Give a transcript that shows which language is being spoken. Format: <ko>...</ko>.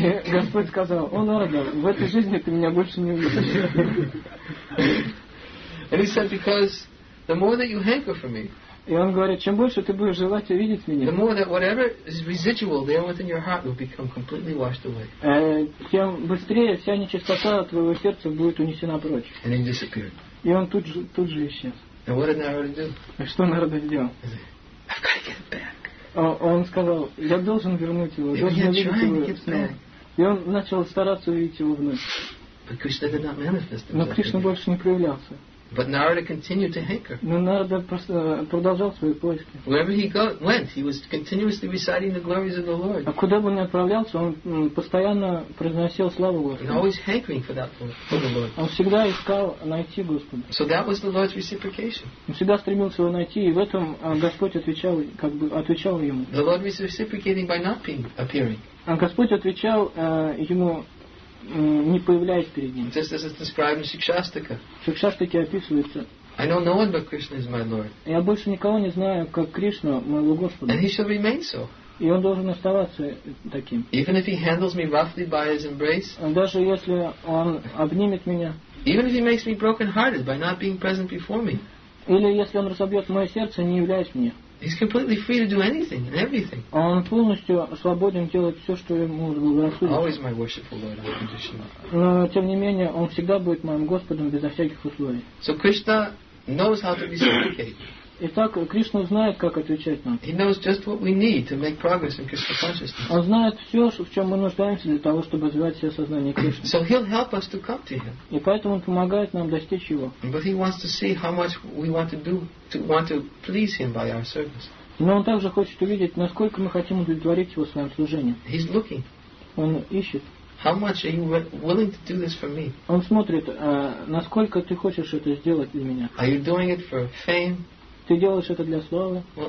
<ru>Господь сказал: «О Нарада, в этой жизни ты меня больше не увидишь».</ru> <en>And he said, because the more that you hanker for me.</en> <ru>И он говорит, чем больше ты будешь желать увидеть меня,</ru> <en>the more that whatever is residual there within your heart will become completely washed away.</en> <ru>Тем быстрее вся нечистота твоего сердца будет унесена прочь.</ru> <en>And he disappeared.</en> <ru>И он тут же исчез.</ru> <en>And what did Narada do?</en> <ru>А что Нарада сделал?</ru> <en>I've got to get back.</en> <ru>Он сказал, я должен вернуть его, должен увидеть его. И он начал стараться увидеть его вновь.</ru> <en>But Krishna did not manifest himself.</en> <ru>Но Кришна больше не проявлялся.</ru> <en>But Narada continued to hanker.</en> <ru>Но Нарада продолжал свои поиски.</ru> <en>Wherever he went, he was continuously reciting the glories of the Lord.</en> <ru>А куда бы он ни отправлялся, он постоянно произносил славу Господу.</ru> <en>And always hankering for that for the Lord.</en> <ru>Он всегда искал найти Господа.</ru> <en>So that was the Lord's reciprocation.</en> <ru>Он всегда стремился его найти, и в этом Господь отвечал, как бы отвечал ему.</ru> <en>The Lord was reciprocating by not being appearing.</en> <ru>А Господь отвечал ему. Не появляясь перед ним.</ru> <en>Just as it's described in Shikshastaka.</en> <ru>Shikshastaka описывается.</ru> <en>I know no one but Krishna is my Lord.</en> <ru>Я больше никого не знаю, как Кришна моего Господа.</ru> <en>And he shall remain so.</en> <ru>И он должен оставаться таким.</ru> <en>Even if he handles me roughly by his embrace.</en> <ru>Даже если он обнимет меня.</ru> <en>Even if he makes me broken-hearted by not being present before me.</en> <ru>Или если он разобьет мое сердце, не являясь мне.</ru> <en>He's completely free to do anything and everything.</en> <ru>Он полностью свободен делать все, что ему благорассудится.</ru> <en>Always my worshipful Lord, unconditional.</en> <ru>Но тем не менее, он всегда будет моим Господом безо всяких условий.</ru> <en>So Krishna knows how to reciprocate.</en> <ru>Итак, Кришна знает, как отвечать нам.</ru> <en>He knows just what we need to make progress in Krishna consciousness.</en> <ru>Он знает все, в чем мы нуждаемся для того, чтобы развивать все сознание Кришны.</ru> <en>So he'll help us to come to him.</en> <ru>И поэтому он помогает нам достичь его.</ru> <en>But he wants to see how much we want to do to want to please him by our service.</en> <ru>Но он также хочет увидеть, насколько мы хотим удовлетворить его своим служением.</ru> <en>He's looking.</en> <ru>Он ищет.</ru> <en>How much are you willing to do this for me?</en> <ru>Он смотрит, насколько ты хочешь это сделать для меня.</ru> <en>Are you doing it for fame?</en> <ru>Ты делаешь это для славы?</ru>